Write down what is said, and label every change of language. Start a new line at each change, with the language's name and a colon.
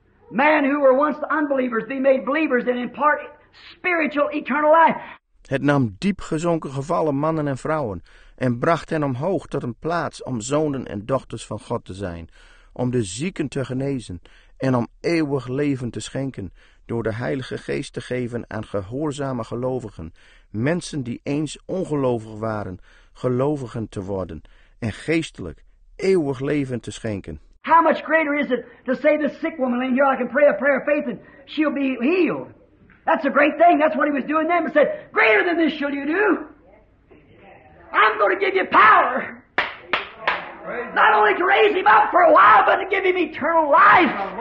English: Men who were once unbelievers be made believers and impart spiritual eternal life.
Dutch: Het nam diep gezonken gevallen mannen en vrouwen en bracht hen omhoog tot een plaats om zonen en dochters van God te zijn, om de zieken te genezen en om eeuwig leven te schenken door de Heilige Geest te geven aan gehoorzame gelovigen, mensen die eens ongelovig waren, gelovigen te worden en geestelijk eeuwig leven te schenken.
English: How much greater is it to say the sick woman in here, I can pray a prayer of faith and she'll be healed. That's a great thing. That's what he was doing then. He said, greater than this shall you do. I'm going to give you power. Not only to raise him up for a while, but to give him eternal life.